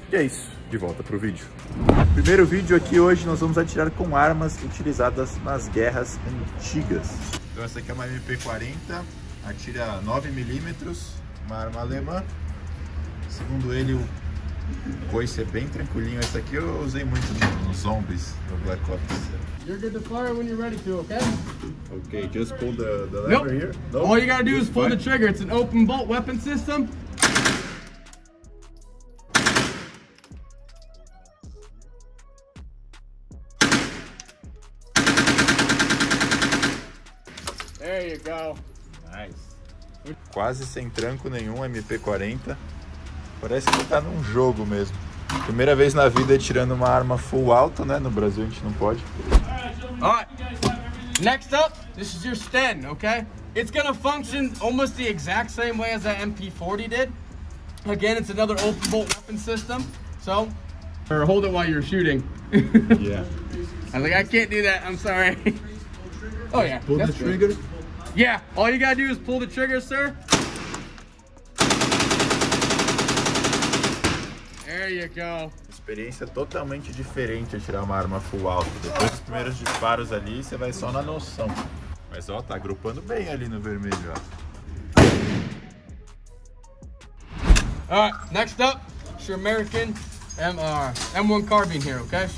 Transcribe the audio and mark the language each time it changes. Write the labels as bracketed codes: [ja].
[pt] E é isso, de volta pro vídeo. Primeiro vídeo aqui hoje, nós vamos atirar com armas utilizadas nas guerras antigas. Então essa aqui é uma MP40, atira 9mm, uma arma alemã. Segundo ele, o coice é bem tranquilinho. Essa aqui eu usei muito nos zombies, no Black Ops. [en] You're good to fire when you're ready to, okay? Okay, just pull the lever here. Nope. All you gotta do is pull the trigger. It's an open bolt weapon system. There you go. Nice. [pt] Quase sem tranco nenhum, MP40. Parece que tá num jogo mesmo. Primeira vez na vida tirando uma arma full auto, né? No Brasil a gente não pode. [en] Alright, next up, this is your Sten, okay? It's gonna function almost the exact same way as that MP40 did. Again, it's another open bolt weapon system. So, or hold it while you're shooting. Yeah. I'm like, I can't do that, I'm sorry. Oh yeah. Pull the trigger? Yeah, all you gotta do is pull the trigger, sir. There you go. [pt] Experiência totalmente diferente atirar uma arma full auto. Depois dos primeiros disparos ali, você vai só na noção. Mas ó, tá agrupando bem ali no vermelho, ó. [en] Alright, next up, it's your American M1 carbine here, okay?